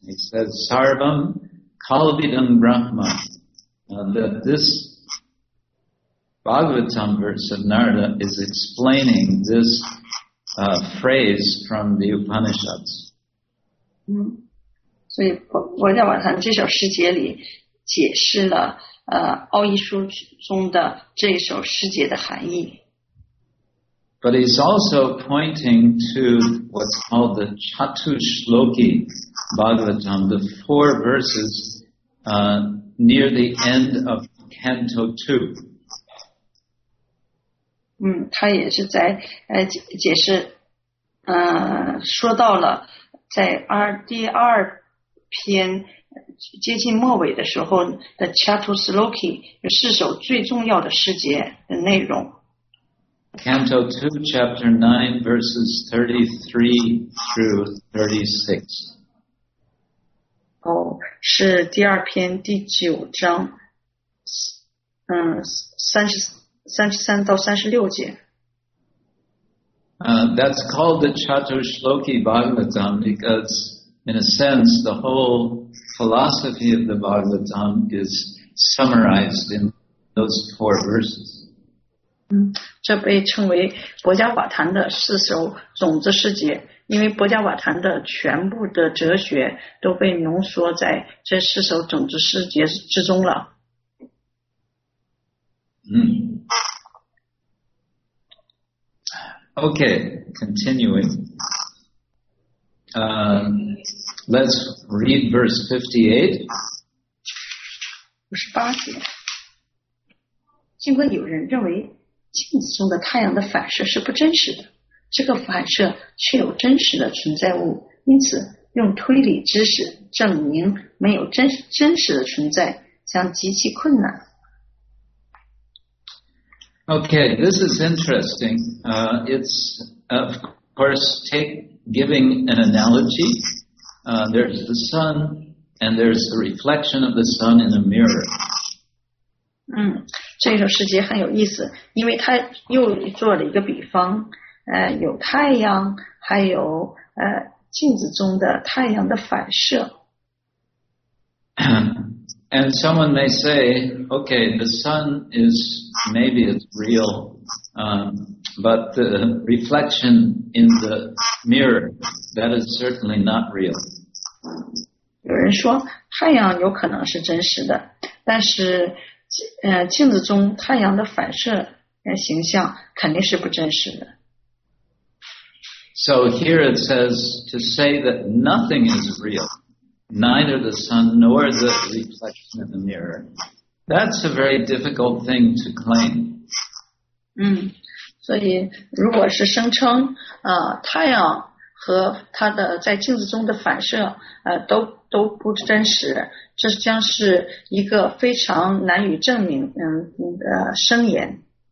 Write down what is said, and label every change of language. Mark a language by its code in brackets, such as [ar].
[en] He says, [sa] Sarvam Kalvidam Brahma, [en] that this Bhagavatam verse of Narada is explaining this phrase from the Upanishads. [zh] 所以我在晚上这首诗节里解释了奥义书中的这首诗节的含义。 [en] But he's also pointing to what's called the Chatushloki Bhagavatam, the four verses near the end of Canto 2. [zh] 他也是在解释说到了在第二篇接近末尾的时候的 Chatushloki 有四首最重要的诗节的内容。 [en] Canto 2, Chapter 9, Verses 33 through 36. [zh] 哦，是第二篇第九章，33到36节。 [en] That's called the Chatushloki Bhagavatam because, in a sense, the whole philosophy of the Bhagavatam is summarized in those four verses. [zh] 这被称为薄伽瓦坛的四首种子诗节，因为薄伽瓦坛的全部的哲学都被浓缩在这四首种子诗节之中了。 [en] Okay, continuing. Let's read verse 58. [zh] 58节。尽管有人认为镜子中的太阳的反射是不真实的，这个反射却有真实的存在物，因此用推理知识证明没有真实的存在将极其困难。 [en] Okay, this is interesting. It's of course giving an analogy. There's the sun and there's the reflection of the sun in a mirror. [zh] 这首诗节很有意思，因为他又做了一个比方，有太阳，还有镜子中的太阳的反射。 [en] And someone may say, okay, the sun is maybe it's real, but the reflection in the mirror, that is certainly not real. [zh] 有人说太阳有可能是真实的，但是镜子中太阳的反射形象肯定是不真实的。 [en] So here it says to say that nothing is real, neither the sun nor the reflection in the mirror. That's a very difficult thing to claim. [zh] 所以如果是声称太阳和它的在镜子中的反射都不真实，这将是一个非常难以证明的声言。